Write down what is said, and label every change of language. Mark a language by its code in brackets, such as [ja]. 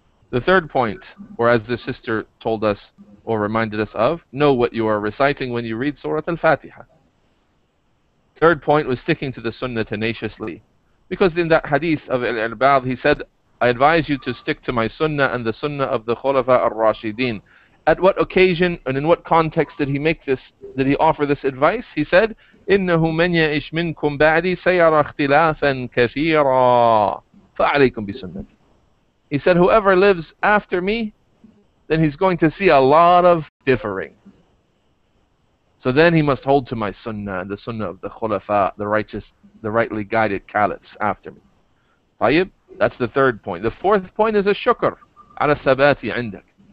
[en] The third point, or as the sister told us or reminded us of, know what you are reciting when you read Surah Al-Fatiha. Third point was sticking to the Sunnah tenaciously. Because in that hadith of Al-Irbad, he said, I advise you to stick to my Sunnah and the Sunnah of the Khulafa al-Rashideen. At what occasion and in what context did he make this, did he offer this advice? He said, [ar] إِنَّهُ مَنْ يَعِشْ مِنْكُمْ بَعْدِي سَيَرَ اخْتِلَافًا كَثِيرًا فَعَلَيْكُمْ بِسُنَّةِ. [en] He said, whoever lives after me, then he's going to see a lot of differing. So then he must hold to my sunnah, the sunnah of the khulafa, the righteous, the rightly guided caliphs after me. Tayyib, that's the third point. The fourth point is a shukr, ala sabati indak.